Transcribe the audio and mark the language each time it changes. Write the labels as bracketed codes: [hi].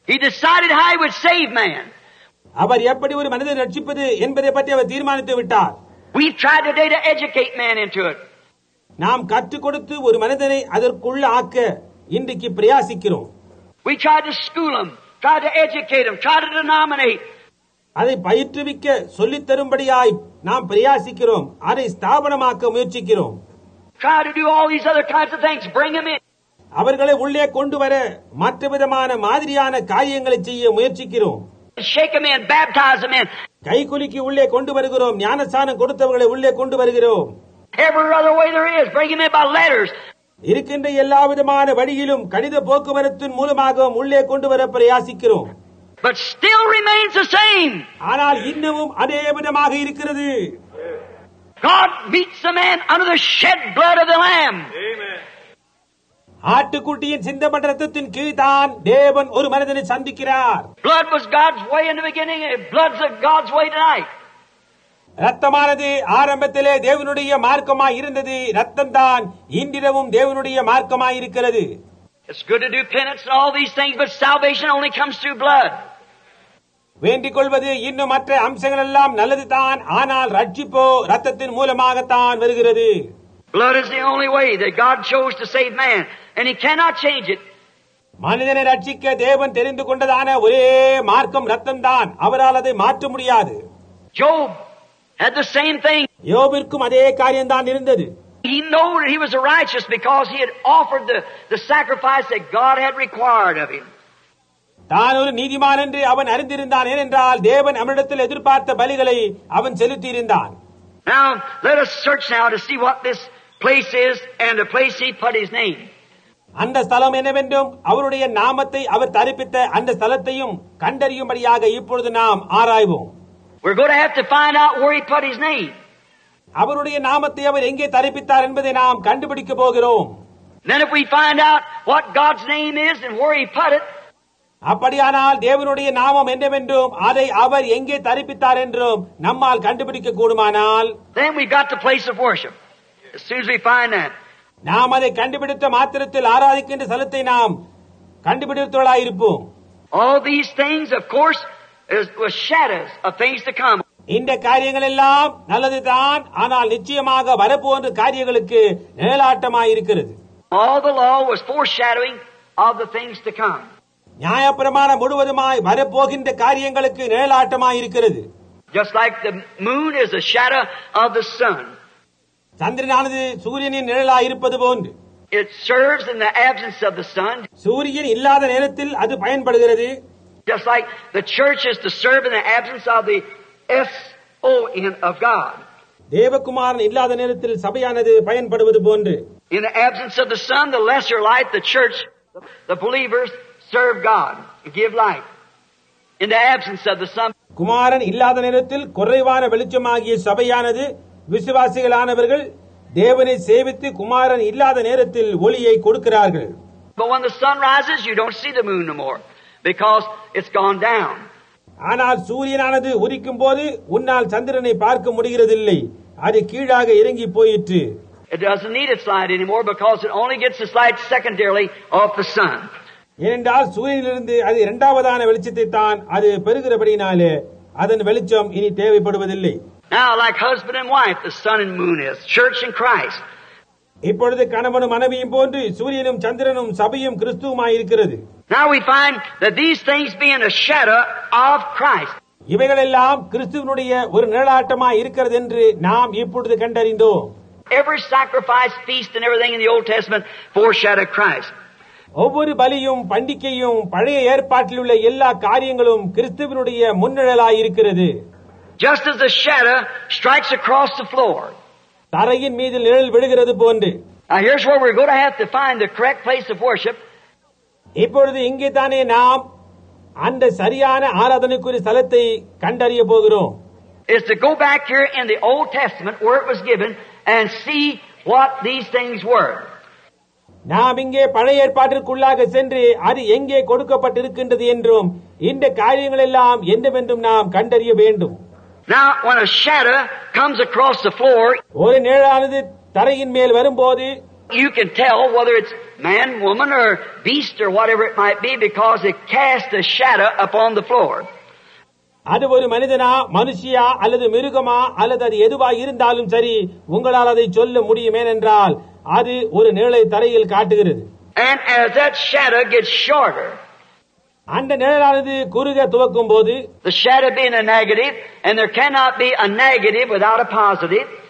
[en] He decided how he would save man. [ta] அவர் எப்படி ஒரு மனிதனை ரட்சிப்பது என்பதை பற்றி அவர் தீர்மானித்து விட்டார். [en] We tried today to educate man into it. [ta] நாம் கற்றுக் கொடுத்து ஒரு மனிதனை அதற்குள்ள ஆக்க இன்றைக்கு பிரயாசிக்கிறோம். [en] We tried to school him, tried to educate him, tried to denominate. [ta] அதை பயிற்றுவிக்க சொல்லித்தரும்படியாய் நாம் பிரயாசிக்கிறோம். அதை ஸ்தாபனமாக்க முயற்சிக்கிறோம். [en] Try to do all these other kinds of things. Bring them in. [ta] அவர்களை உள்ளே கொண்டு வர மற்ற விதமான மாதிரியான காரியங்களை செய்ய முயற்சிக்கிறோம். [en] Shake them in, baptize them in. [ta] கை குலுக்கி உள்ளே கொண்டு வருகிறோம். ஞானஸ்தானம் கொடுத்தவர்களை உள்ளே கொண்டு வருகிறோம். [en] Every other way there is, bring them in by letters. [ta] இருக்கின்ற எல்லா விதமான வழியிலும் கடித போக்குவரத்தின் மூலமாகவும் உள்ளே கொண்டு வர பிரயாசிக்கிறோம். [en] But still remains the same. [ta] ஆனால் இன்னமும் அதே விதமாக இருக்கிறது. [en] God meets a man under the shed blood of the lamb. [ta] ஆட்டுக்குட்டியின் சிந்தப்பட்ட ரத்தத்தின் கீழ் தான் தேவன் ஒரு மனிதனை சந்திக்கிறார். [en] Blood was God's way in the beginning, blood's God's way tonight. [ta] ரத்தமானது ஆரம்பத்திலே தேவனுடைய மார்க்கமாய் இருந்தது. ரத்தம் தான் இன்றிரவும் தேவனுடைய மார்க்கமாய் இருக்கிறது. [en] It's good to do penance and all these things, but salvation only comes through blood. [ta] வேண்டிக்கொள்வது இன்னும் மற்ற அம்சங்கள் எல்லாம் நல்லதுதான். ஆனால் ரட்சிப்போ ரத்தத்தின் மூலமாகத்தான் வருகிறது. [en] Blood is the only way that God chose to save man, and he cannot change it. [ta] மனிதனை ரட்சிக்க தேவன் தெரிந்து கொண்டதான ஒரே மார்க்கம் ரத்தம் தான். அவரால் அதை மாற்ற முடியாது. [en] Job had the same thing. [ta] யோபிற்கும் அதே காரியம் தான் இருந்தது. [en] He knew that he was righteous because he had offered the sacrifice that God had required of him. [ta] தான் ஒரு நீதிமான் என்று அவன் அறிந்திருந்தான். ஏனென்றால் தேவன் அவனிடத்தில் எதிர்பார்த்த பலிகளை அவன் செலுத்தியிருந்தான். [en] Now let us search now to see what this place is and the place he put his name. [ta] அந்த ஸ்தலம் என்னவென்றும் அவருடைய நாமத்தை அவர் தரிப்பித்த அந்த ஸ்தலத்தையும் கண்டறியும்படியாக இப்பொழுது நாம் ஆராய்வோம். [en] We're going to have to find out where he put his name. [ta] அவருடைய நாமத்தை அவர் எங்கே தரிப்பித்தார் என்பதை நாம் கண்டுபிடிக்கப் போகிறோம். [en] Then if we find out what God's name is and where he put it, [ta] அப்படியானால் தேவனுடைய நாமம் என்னவென்றும் அதை அவர் எங்கே தரிப்பித்தார் என்றும் நம்மால் கண்டுபிடிக்க கூடுமானால் [en] Then we got the place of worship. As soon as we find that, [ta] நாம் அதை கண்டுபிடித்த மாத்திரத்தில் ஆராதிக்கின்ற ஸ்தலத்தை நாம் கண்டுபிடித்தவர்களாயிருப்போம். [en] All these things, of course, were shadows of things to come. [ta] இந்த காரியங்கள் எல்லாம் நல்லதுதான். ஆனால் நிச்சயமாக வரப்போன்ற காரியங்களுக்கு நிழலாட்டமாயிருக்கிறது. [en] All the law was foreshadowing of the things to come. [ta] நியாயப்பிரமாணம் முழுவதுமாய் வரப்போகின்ற காரியங்களுக்கு நிழலாட்டமாயிருக்கிறது. [en] Just like the moon is a shadow of the sun. [ta] சந்திரனானது சூரியனின் நிழலாயிருப்பது போன்று. [en] it serves in the absence of the sun. [ta] சூரியன் இல்லாத நேரத்தில் அது பயன்படுகிறது. [en] Just like the church is to serve in the absence of the son of God. [ta] தேவகுமாரன் இல்லாத நேரத்தில் சபையானது பயன்படுவது போன்று. [en] In the absence of the son, the lesser light, the church, the believers serve God, give light. In the absence of the son, [ta] குமாரன் இல்லாத நேரத்தில் குறைவான வெளிச்சமாகிய சபையானது விசுவாசிகளானவர்கள் தேவனை சேவித்து குமாரன் இல்லாத நேரத்தில் ஒளியை கொடுக்கிறார்கள். [en] But when the sun rises, you don't see the moon no more because it's gone down. [ta] ஆனால் சூரியனானது உதிக்கும் போது உன்னால் சந்திரனை பார்க்க முடிகிறதில்லை. அது கீழாக இறங்கி போயிற்று. [en] It doesn't need its light anymore because it only gets its light secondarily off the sun. [ta] ஏனென்றால் சூரியனிலிருந்து அது இரண்டாவதான வெளிச்சத்தை தான் அது பெறுகிறபடினாலே அதன் வெளிச்சம் இனி தேவைப்படுவதில்லை. [en] Now, like husband and wife, the sun and moon is church and Christ. [ta] இப்பொழுது கணவனும் மனைவியும் போன்று சூரியனும் சந்திரனும் சபையும் கிறிஸ்துவுமாய் இருக்கிறது. [en] Now we find that these things being a shadow of Christ. [ta] இவைகளெல்லாம் கிறிஸ்துவினுடைய ஒரு நிழலாட்டமாய் இருக்கிறது என்று நாம் இப்பொழுது கண்டறிந்தோம். [en] Every sacrifice, feast and everything in the Old Testament foreshadowed Christ. [ta] ஒவ்வொரு பலியும் பண்டிகையும் பழைய ஏற்பாட்டில் உள்ள எல்லா காரியங்களும் கிறிஸ்துவினுடைய முன்னிழலாய் இருக்கிறது. [en] Just as the shadow strikes across the floor. [ta] தரையின் மீது நிழல் விழுகிறது போன்று. [en] Now here's where we're going to have to find the correct place of worship. [ta] இப்பொழுது இங்கே தானே நாம் அந்த சரியான ஆராதனைக்குரிய ஸ்தலத்தை கண்டறிய போகிறோம். [en] It's to go back here in the Old Testament where it was given and see what these things were. [ta] நாம் இங்கே பழைய ஏற்பாட்டிற்குள்ளாக சென்று அது எங்கே கொடுக்கப்பட்டிருக்கின்றது என்றும் இந்த காரியங்கள் எல்லாம் என்னவென்றும் நாம் கண்டறிய வேண்டும். [en] Now when a shadow comes across the floor, [ta] ஒரு நிழலானது தரையின் மேல் வரும்போது, [en] you can tell whether it's man, woman or beast or whatever it might be because it casts a shadow upon the floor. [ta] அது ஒரு மனிதனா மனுஷியா அல்லது மிருகமா அல்லது அது எதுவாக இருந்தாலும் சரி உங்களால் அதை சொல்ல முடியுமே என்றால் அது ஒரு நிழலை தரையில் காட்டுகிறது. [en] And as that shadow gets shorter, [ta] அந்த நிழலானது குறுக துவக்கும் போது, [en] the shadow being a negative and there cannot be a negative without a positive,